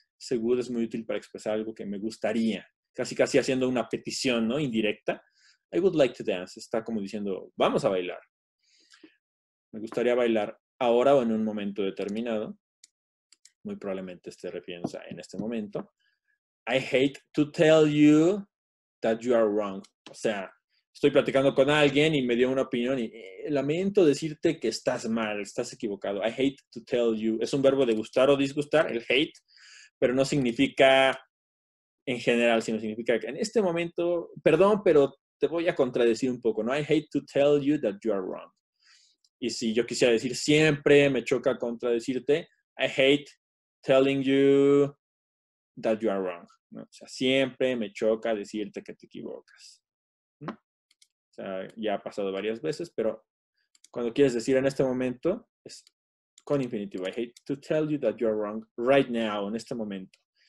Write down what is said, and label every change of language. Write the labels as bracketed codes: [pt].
[es] Ese good es muy útil para expresar algo que me gustaría. Casi casi haciendo una petición, ¿no? Indirecta. [en] I would like to dance. [es] Está como diciendo, vamos a bailar. Me gustaría bailar. Ahora o en un momento determinado, muy probablemente esté refiriéndose en este momento. [en] I hate to tell you that you are wrong. [es] O sea, estoy platicando con alguien y me dio una opinión y lamento decirte que estás mal, estás equivocado. [en] I hate to tell you. [es] Es un verbo de gustar o disgustar, el hate, pero no significa en general, sino significa que en este momento, perdón, pero te voy a contradecir un poco, ¿no? [en] I hate to tell you that you are wrong. [es] Y si yo quisiera decir siempre, me choca contradecirte, [en] I hate telling you that you are wrong. [es] ¿No? O sea, siempre me choca decirte que te equivocas. ¿No? O sea, ya ha pasado varias veces, pero cuando quieres decir en este momento, es con infinitivo. [en] I hate to tell you that you are wrong right now, [es] en este momento.